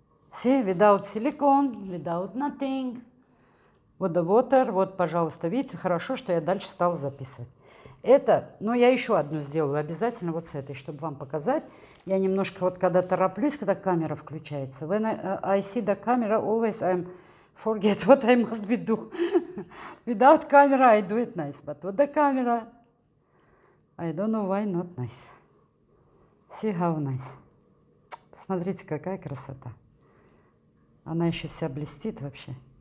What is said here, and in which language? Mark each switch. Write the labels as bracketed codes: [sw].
[en] See, without silicone, without nothing. Вот the water. [ru] Вот, пожалуйста, видите, хорошо, что я дальше стала записывать. Это, ну, я еще одну сделаю обязательно вот с этой, чтобы вам показать. Я немножко вот когда тороплюсь, когда камера включается. [en] When I see the camera, always I forget what I must be doing. Without camera I do it nice, but with the camera I don't know why not nice. See how nice. [ru] Посмотрите, какая красота. Она еще вся блестит вообще.